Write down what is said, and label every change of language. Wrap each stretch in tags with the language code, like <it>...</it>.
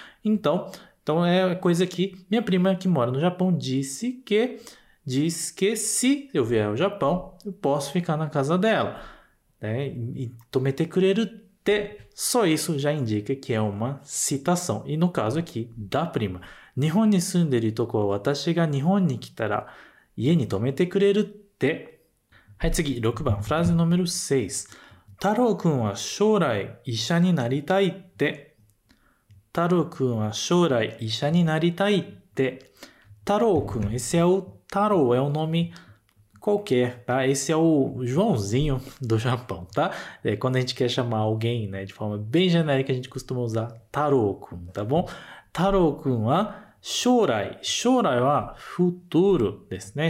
<pt>Então é coisa que minha prima que mora no Japão disse que, diz que se eu vier ao Japão, eu posso ficar na casa dela, né? E tomete kureru te, só isso já indica que é uma citação, e no caso aqui, da prima.</pt> <ja>日本に住んでるとこは私が日本に来たら家に泊めてくれるって。はい、次、6番、フラーズ</ja> <pt>número 6。</pt> <ja>太郎くんは将来医者になりたいって。太郎くんは将来医者になりたいって。</ja> <pt>Tarô-kun, esse é o Tarô, é um nome qualquer, tá? Esse é o Joãozinho do Japão, tá? É quando a gente quer chamar alguém, né, de forma bem genérica, a gente costuma usar Tarô-kun, tá bom? Tarô-kun a shōrai. Shōrai é futuro, né?</pt>